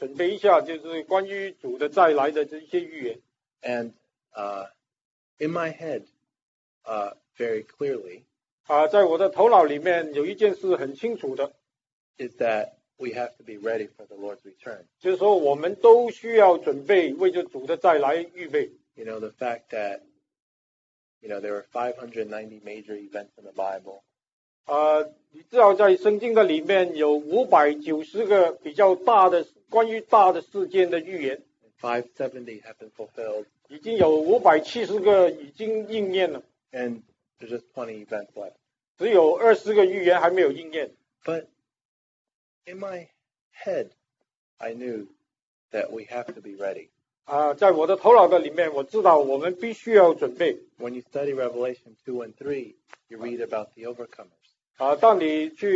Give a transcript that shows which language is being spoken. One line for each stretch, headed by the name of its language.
Chinese: 很自然的就我就要在那里准备一下就是关于主的再来的这些预言。
English: And, in my head, very clearly,
Chinese: 在我的头脑里面有一件事很清楚的,
English: is that we have to be ready for the Lord's return.
Chinese: 就是说我们都需要准备为着主的再来预备。
English: You know, the fact that, you know, there are 590 major events in the Bible.
Chinese: 你知道在圣经的里面有590个比较大的关于大的事件的预言。
English: 570 have been fulfilled.
Chinese: 已经有570个已经应验了。And
English: there's just 20 events left.
Chinese: 只有20个预言还没有应验。But
English: in my head, I knew that we have to be ready.
Chinese: 在我的头脑的里面，我知道我们必须要准备。When
English: you study Revelation 2 and 3, you read about the overcomers.